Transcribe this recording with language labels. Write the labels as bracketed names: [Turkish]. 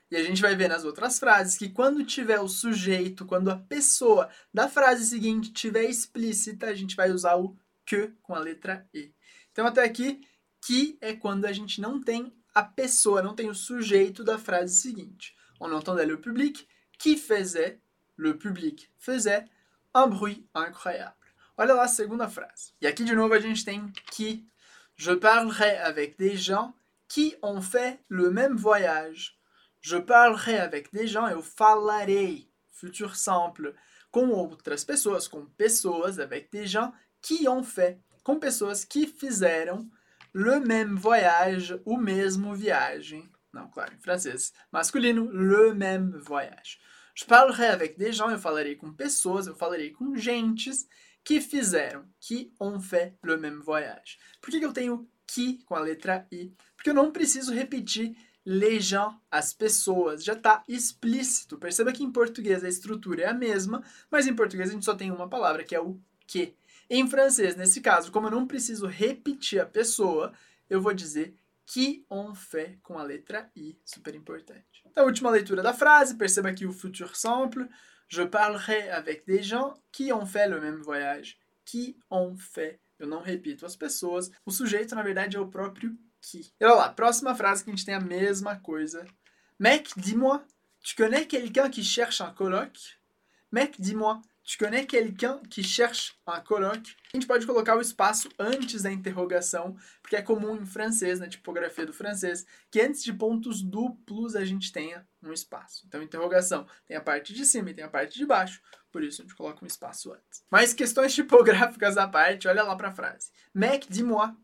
[Portuguese] E a gente vai ver nas outras frases que quando tiver o sujeito, quando a pessoa da frase seguinte tiver explícita, a gente vai usar o que com a letra E. Então até aqui, que é quando a gente não tem a pessoa, não tem o sujeito da frase seguinte. [French] On entendait le public qui faisait, le public faisait un bruit incroyable. [Portuguese] Olha lá a segunda frase. E aqui de novo a gente tem que. [French] Je parlerai avec des gens qui ont fait le même voyage. Je parlerai avec des gens, [Portuguese] eu falarei, [French] futur simple, [Portuguese] com outras pessoas, com pessoas, [French] avec des gens qui ont fait, [Portuguese] com pessoas que fizeram [French] le même voyage, [Portuguese] o mesmo viagem. Não, claro, em francês, masculino, [French] le même voyage. Je parlerai avec des gens, [Portuguese] eu falarei com pessoas, eu falarei com gentes que fizeram, [French] qui ont fait le même voyage. [Portuguese] Por que eu tenho qui com a letra I? Porque eu não preciso repetir les gens, as pessoas, já está explícito. Perceba que em português a estrutura é a mesma, mas em português a gente só tem uma palavra, que é o que. Em francês, nesse caso, como eu não preciso repetir a pessoa, eu vou dizer [French] qui ont fait [Portuguese] com a letra I, super importante. Então, última leitura da frase, perceba aqui o futur simple. [French] Je parlerai avec des gens qui ont fait le même voyage. Qui ont fait. [Portuguese] Eu não repito as pessoas. O sujeito, na verdade, é o próprio qui. E olha lá, próxima frase que a gente tem a mesma coisa. [French] Mec, dis-moi, tu connais quelqu'un qui cherche un coloc? Mec, dis-moi, tu connais quelqu'un qui cherche un coloc? [Portuguese] A gente pode colocar o espaço antes da interrogação, porque é comum em francês, na tipografia do francês, que antes de pontos duplos a gente tenha um espaço. Então, interrogação tem a parte de cima e tem a parte de baixo, por isso a gente coloca um espaço antes. Mas questões tipográficas à parte, olha lá pra frase. [French] Mec, dis-moi.